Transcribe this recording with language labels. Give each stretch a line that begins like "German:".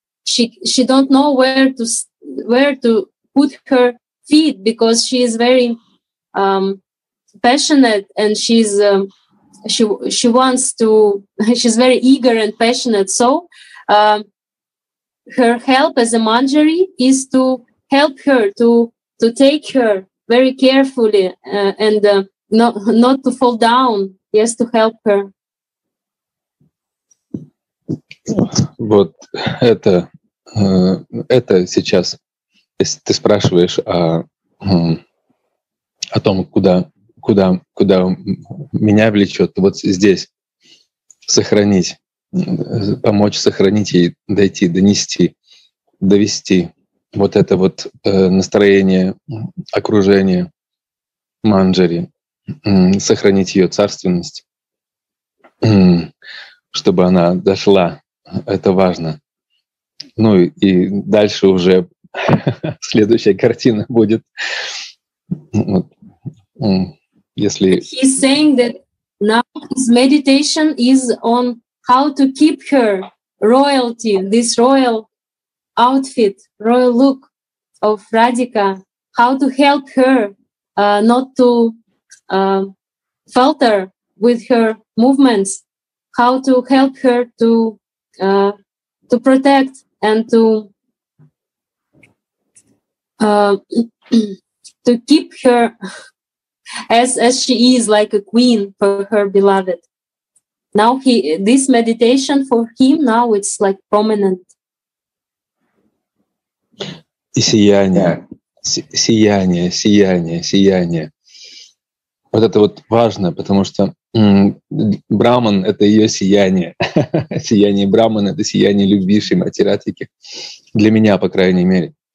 English: She don't know where to put her feet because she is very passionate and she's she wants to, she's very eager and passionate. So her help as a manjari is to help her to take her very carefully and not to fall down. Yes, to help her.
Russian: Вот это сейчас, если ты спрашиваешь о том, куда меня влечет, вот здесь сохранить, помочь сохранить ей, дойти, донести, довести вот это вот настроение, окружение манджари, сохранить ее царственность, чтобы она дошла, это важно. Ну и дальше уже следующая картина будет.
English: He's saying that now his meditation is on how to keep her royalty, this royal outfit, royal look of Radhika, how to help her not to falter with her movements, how to help her to protect and to keep her as she is, like a queen for her beloved. Now this meditation for him, now it's like prominent.
Russian: И сияние, сияние, сияние, сияние. Вот это вот важно, потому что Браман — это ее сияние. Сияние Брамана — это сияние любви Шримати Радхики. Для меня, по крайней мере.